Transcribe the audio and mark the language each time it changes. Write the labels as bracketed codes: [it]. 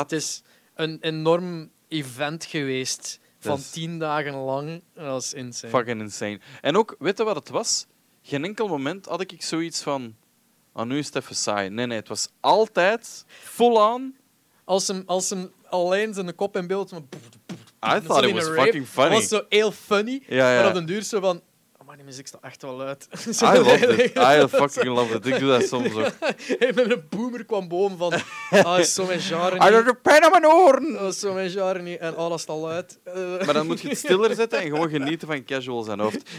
[nl] Het is een enorm event geweest van 10 dagen lang. Dat was insane. [en] Fucking insane. [nl] En ook, weet je wat het was? Geen enkel moment had ik zoiets van, nu is het even saai. Nee, het was altijd full-on. Als hem alleen zijn kop in beeld. [en] I thought it was fucking funny. [nl] Het was zo heel funny. Ja. Maar op den duur zo van, oh maar die muziek staat echt wel uit. [en] I love it. I fucking love it. [nl] Ik doe dat soms ook. Ik ben een boomer kwam boom van... Ah, is zo mijn jaren [en] niet. I got a pain on my oren. [nl] Is zo mijn jaren niet. En alles staat uit. Maar dan moet je het stiller zetten en gewoon genieten van casual zijn hoofd.